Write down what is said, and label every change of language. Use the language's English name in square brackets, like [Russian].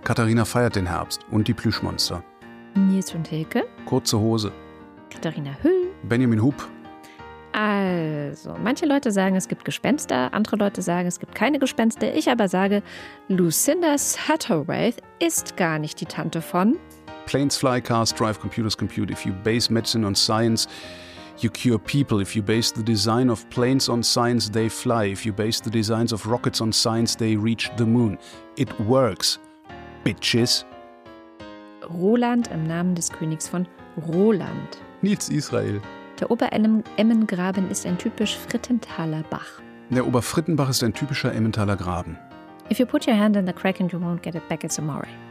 [German] Katharina feiert den Herbst und die Plüschmonster. Nils und Hilke. Kurze Hose. Katharina Hüll. Benjamin Hub. Also, manche Leute sagen, es gibt Gespenster. Andere Leute sagen, es gibt keine Gespenster. Ich aber sage, Lucinda Satterwhite ist gar nicht die Tante von... [English] Planes fly, cars drive, computers compute. If you base medicine on science, you cure people. If you base the design of planes on science, they fly. If you base the designs of rockets on science, they reach the moon. It works, bitches. [German] Roland im Namen des Königs von Roland. Nils Israel. Der Oberemmengraben ist ein typisch Frittenthaler Bach. Der Oberfrittenbach ist ein typischer Emmentaler Graben. [English] If you put your hand in the crack and you won't get it back, it's a moray.